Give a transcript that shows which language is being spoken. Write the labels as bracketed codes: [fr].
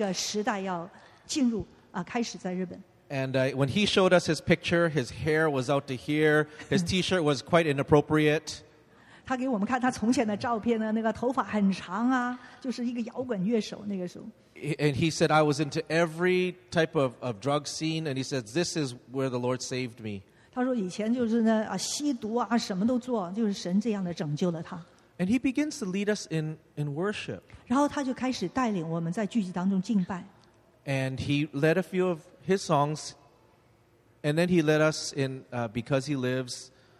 [zh] 他就在我们的当中来带领敬拜，要预备这个新的一个时代要进入开始在日本。 [en] And when he showed us his picture, his hair was out to here. His T-shirt was quite inappropriate. [zh] 他给我们看他从前的照片呢，那个头发很长啊，就是一个摇滚乐手那个时候。 [en] And he said, I was into every type of drug scene. And he said, this is where the Lord saved me. [zh] 他说以前就是呢，吸毒啊，什么都做，就是神这样的拯救了他。 [en] And he begins to lead us in worship. [zh] 然后他就开始带领我们在聚集当中敬拜。 [en] And he led a few of his songs, and then he led us in Because He Lives.